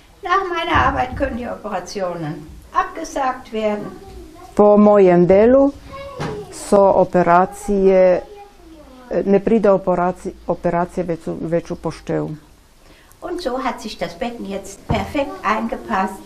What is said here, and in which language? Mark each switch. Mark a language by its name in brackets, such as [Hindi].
[German] Nach meiner Arbeit können die Operationen abgesagt werden. [Slovenian] Po mojem delu so operacije, ne pride operacije več v poštev. [German] Und so hat sich das Becken jetzt perfekt eingepasst.